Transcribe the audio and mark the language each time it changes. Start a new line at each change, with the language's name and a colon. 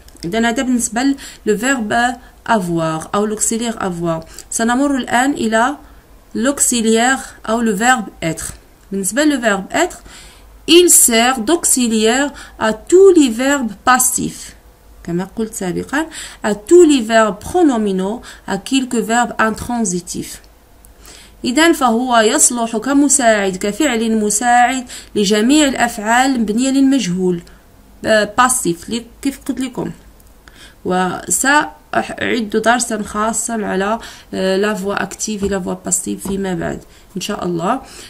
Arabic: إذن هذا بالنسبة للverb avoir أو الأوكسيليغ avoir. سنمر الآن إلى
French: l'auxiliaire ou le verbe être.
Arabic: بالنسبة
French: le verbe être, il sert d'auxiliaire à tous les verbes passifs.
Arabic: كما قلت سابقا,
French: à tous les verbes pronominaux, à quelques verbes intransitifs.
Arabic: إذن فهو يصلح كمساعد كفعل مساعد لجميع الأفعال مبنية للمجهول passif. كيف قلت لكم؟ وسا أعد درسا خاصا على لا فوا اكتيف لا فوا باسيف فيما بعد ان شاء الله.